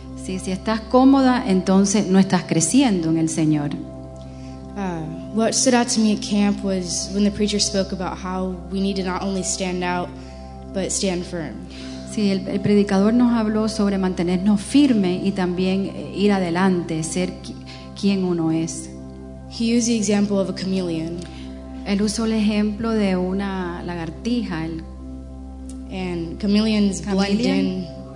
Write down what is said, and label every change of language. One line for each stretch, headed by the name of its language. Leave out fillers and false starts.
Spanish: Sí, si estás cómoda, entonces no estás creciendo en el Señor.
English: What stood out to me at camp was when the preacher spoke about how we need to not only stand out, but stand firm.
Spanish: Sí, el predicador nos habló sobre mantenernos firme y también ir adelante, ser quien uno es.
English: He used the example of a chameleon.
Spanish: Él usó el ejemplo de una lagartija.
English: And chameleons blend in.